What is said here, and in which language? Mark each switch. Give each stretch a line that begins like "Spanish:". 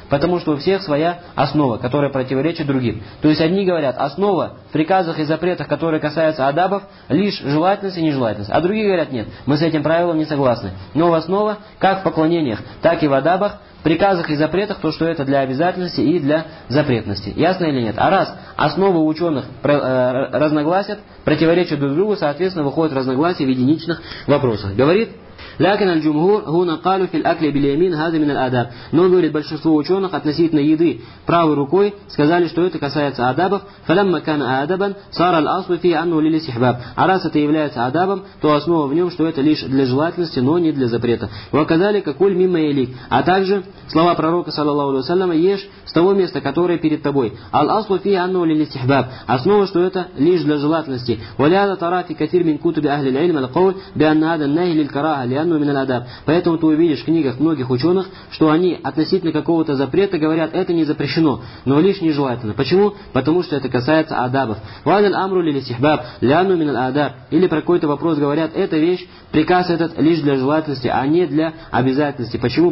Russian: Потому что у всех своя основа, которая противоречит другим. То есть одни говорят, основа в приказах и запретах, которые касаются адабов, лишь желательность и нежелательность. А другие говорят, нет, мы с этим правилом не согласны. Но основа как в поклонениях, так и в адабах, приказах и запретах, то, что это для обязательности и для запретности. Ясно или нет? А раз основы ученых разногласят, противоречат друг другу, соответственно, выходят разногласия в единичных вопросах. Говорит...
Arabic: لكن الجمهور هنا قالوا في الأكل باليمين هذا من الآداب.
Russian: Но говорит большинство ученых относительно еды правой рукой сказали, что это касается адабов.
Arabic: فلما كان آدابا صار الأصل فيه أنه للاستحباب.
Russian: А раз это является адабом, то основа в нем, что это лишь для желательности, но не для запрета.
Arabic: وكذلك كل مما يليك.
Russian: А также слова пророка саллаллаху алейхи ва саллям, ешь с того места, которое перед тобой.
Arabic: الأصل فيه أنه للاستحباب.
Russian: Основа, что это лишь для желательности.
Arabic: ولهذا ترى في كثير من كتب أهل العلم القول بأن هذا النهي للكراهة.
Russian: Поэтому ты увидишь в книгах многих ученых, что они относительно какого-то запрета говорят, это не запрещено, но лишь нежелательно. Почему? Потому что это касается адабов.
Arabic: Валяль амру лили сихбаб, лянну минал адаб.
Russian: Или про какой-то вопрос говорят, это вещь, приказ этот лишь для желательности, а не для обязательности. Почему?